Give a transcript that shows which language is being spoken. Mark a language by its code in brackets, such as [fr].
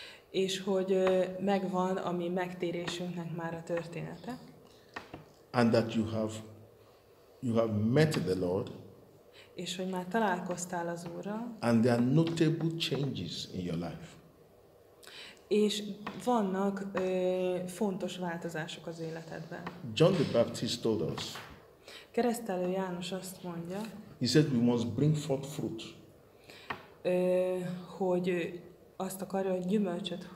[hu] És hogy megvan a mi megtérésünknek már a története. [en] And that you have met the Lord. [hu] És hogy már találkoztál az Úrral. [en] And there are notable changes in your life. [hu] És vannak fontos változások az életedben. [en] John the Baptist told us. [hu] Keresztelő János azt mondja. [en] He said we must bring forth fruit. [hu] Hogy azt akarja, hogy gyümölcsöt.